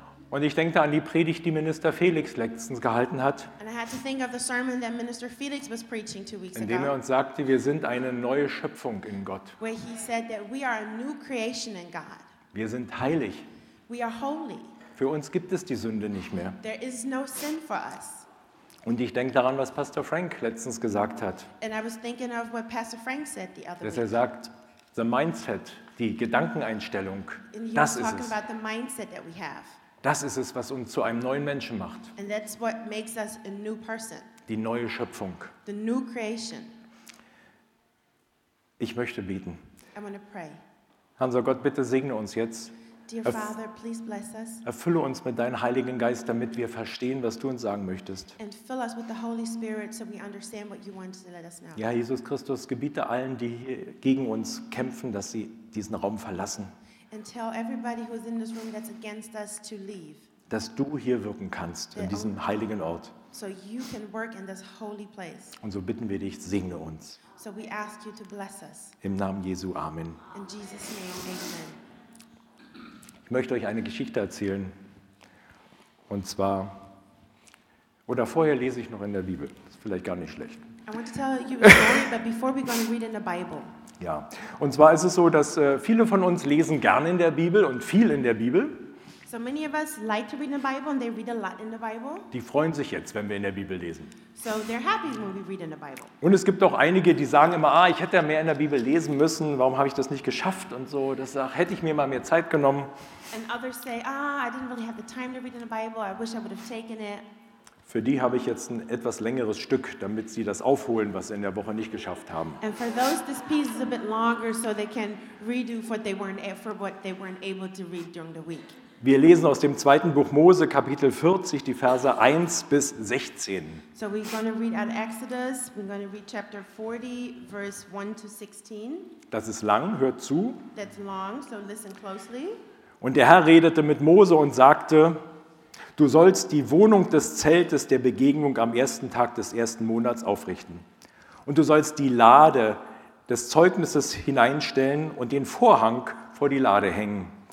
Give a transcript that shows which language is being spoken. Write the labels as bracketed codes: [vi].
[de] Und ich denke an die Predigt, die Minister Felix letztens gehalten hat, in dem er uns sagte, wir sind eine neue Schöpfung in Gott. [en] Where he said that we are a new creation in God. [de] Wir sind heilig. [en] We are holy. [de] Für uns gibt es die Sünde nicht mehr. [en] There is no sin for us. [de] Und ich denke daran, was Pastor Frank letztens gesagt hat. [en] And I was thinking of what Pastor Frank said the other [de] dass [en] week. [de] Er sagt, [en] the mindset, [de] die Gedankeneinstellung, das ist [en] talking [de] es. [en] About the mindset that we have. [de] Das ist es, was uns zu einem neuen Menschen macht. [en] And that's what makes us a new person. [de] Die neue Schöpfung. [en] The new creation. [de] Ich möchte beten. [en] I'm gonna pray. [de] Hanser Gott, bitte segne uns jetzt. [en] Dear Father, please bless us. [de] Erfülle uns mit deinem Heiligen Geist, damit wir verstehen, was du uns sagen möchtest. [en] And fill us with the Holy Spirit, so we understand what you want to let us know. [de] Ja, Jesus Christus, gebiete allen, die gegen uns kämpfen, dass sie diesen Raum verlassen. [en] And tell everybody who's in this room that's against us to leave. [de] Dass du hier wirken kannst, in diesem heiligen Ort. [en] So you can work in this holy place. [de] Und so bitten wir dich, segne uns. [en] So we ask you to bless us. [de] Im Namen Jesu, Amen. [en] In Jesus' name, Amen. [de] Ich möchte euch eine Geschichte erzählen. Und zwar, oder vorher lese ich noch in der Bibel. Das ist vielleicht gar nicht schlecht. [en] I want to tell you a story, but before we're going to read in the Bible. [de] Ja, und zwar ist es so, dass viele von uns lesen gerne in der Bibel und viel in der Bibel. [en] So many of us like to read in the Bible and they read a lot in the Bible. [de] Die freuen sich jetzt, wenn wir in der Bibel lesen. [en] So they're happy when we read in the Bible. [de] Und es gibt auch einige, die sagen immer, ich hätte ja mehr in der Bibel lesen müssen, warum habe ich das nicht geschafft und so, das hätte ich mir mal mehr Zeit genommen. [en] And others say, I didn't really have the time to read in the Bible, I wish I would have taken it. [de] Für die habe ich jetzt ein etwas längeres Stück, damit sie das aufholen, was sie in der Woche nicht geschafft haben. [en] And for those, this piece is a bit longer, so they can redo for what they weren't able to read during the week. [de] Wir lesen aus dem zweiten Buch Mose, Kapitel 40, die Verse 1 bis 16. [en] So we're going to read out Exodus, we're going to read chapter 40, verse 1 to 16. [de] Das ist lang, hört zu. [en] That's long, so listen closely. [de] Und der Herr redete mit Mose und sagte, du sollst die Wohnung des Zeltes der Begegnung am ersten Tag des ersten Monats aufrichten. Und du sollst die Lade des Zeugnisses hineinstellen und den Vorhang vor die Lade hängen.